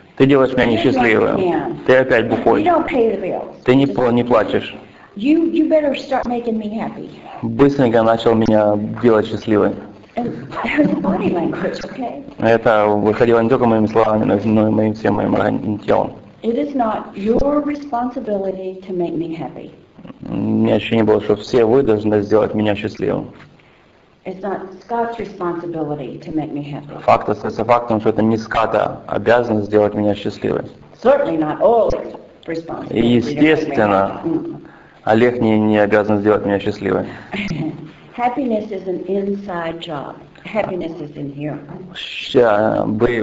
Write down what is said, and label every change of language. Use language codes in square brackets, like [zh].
[ru] Ты делаешь меня несчастливым. Ты опять бухой. Ты не плачешь. [en] You better start making me happy. [ru] Быстренько начал меня делать счастливой. [en] Body language, okay? [ru] Это выходило не только моими словами, но и моим всем моим телом. [en] It is not your responsibility to make me happy. [ru] У меня ощущение было, что все вы должны сделать меня счастливым. [en] It's not Scott's responsibility to make me happy. [ru] Факт остается фактом, что это не Скотта обязан сделать меня счастливой. [en] Certainly not Oleg's responsibility. [ru] Естественно, Олег не обязан сделать меня счастливой. [en] Happiness is an inside job. Happiness is in here.